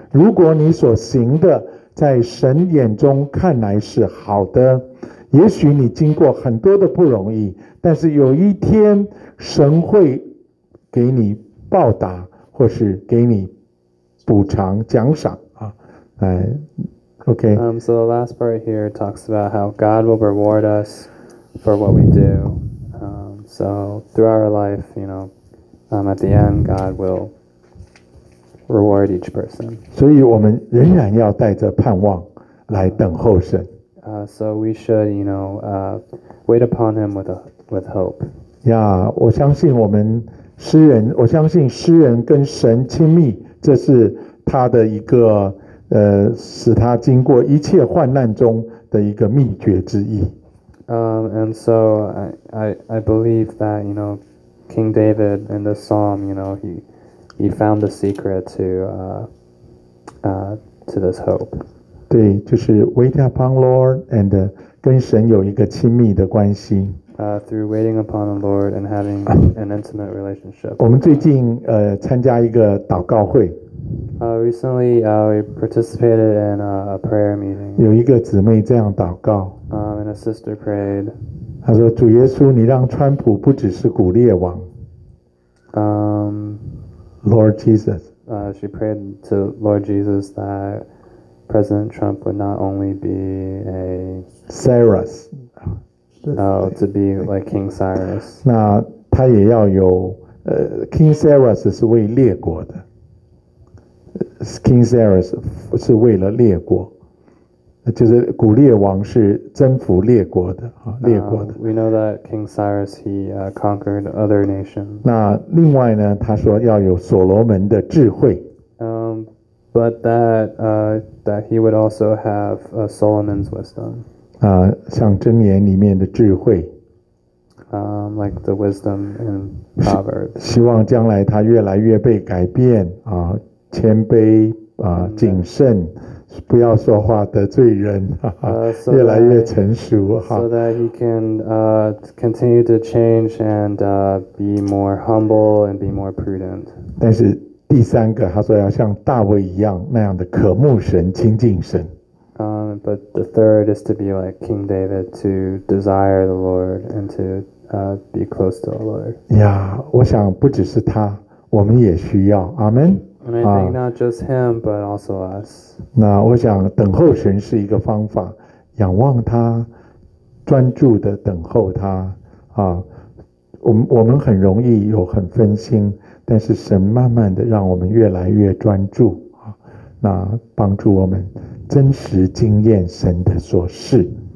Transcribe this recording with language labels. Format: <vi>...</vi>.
<zh>如果你所行的在神眼中看来是好的，也许你经过很多的不容易，但是有一天神会给你报答，或是给你补偿奖赏啊。哎 ，OK。</zh> <en>So the last part here talks about how God will reward us for what we do. So through our life, you know, at the end, God will reward each person.</en> <zh>所以我们仍然要带着盼望来等候神。</zh> <en>So we should, you know, wait upon him with hope.</en> <zh>Yeah, 我相信我们诗人，我相信诗人跟神亲密，这是他的一个使他经过一切患难中的一个秘诀之一。</zh> <en>And so I believe that, you know, King David in this psalm, you know, he found the secret to this hope.</en> <zh>对，就是</zh> <en>wait upon Lord and</en> <zh>跟神有一个亲密的关系。</zh> <en>Through waiting upon the Lord and having an intimate relationship.</en> <zh>我们最近参加一个祷告会。</zh> <en>Recently, we participated in a prayer meeting.</en> <zh>有一个姊妹这样祷告。</zh> <en>And a sister prayed.</en> <zh>她说：“主耶稣，你让川普不只是古列王。”</zh> <en>Lord Jesus. She prayed to Lord Jesus that President Trump would not only be a Cyrus. To be like King Cyrus.</en> <zh>那他也要有King Cyrus 是为列国的。 King Cyrus 是为了列国，就是古列王是征服列国的啊，列国的。</zh> <en>We know that King Cyrus he conquered other nations.</en> <zh>那另外呢，他说要有所罗门的智慧。</zh> <en>But that that he would also have Solomon's wisdom.</en> <zh>像箴言里面的智慧。</zh> <en>Like the wisdom in Proverbs.</en> <zh>希望将来他越来越被改变啊。谦卑谨慎，不要说话得罪人，越来越成熟。</zh> <en>So that he can continue to change and be more humble and be more prudent.</en> <zh>但是第三个，他说要像大卫一样那样的渴慕神、亲近神。</zh> <en>But the third is to be like King David, to desire the Lord and to be close to the Lord.</en> <zh>Yeah, 我想不只是他，我们也需要。</zh> <en>Amen. And I think not just him, but also us.</en> <zh>那我想等候神是一个方法，仰望他，专注的等候他。我们很容易有很分心，但是神慢慢的让我们越来越专注。那帮助我们真实经验神的所事。</zh>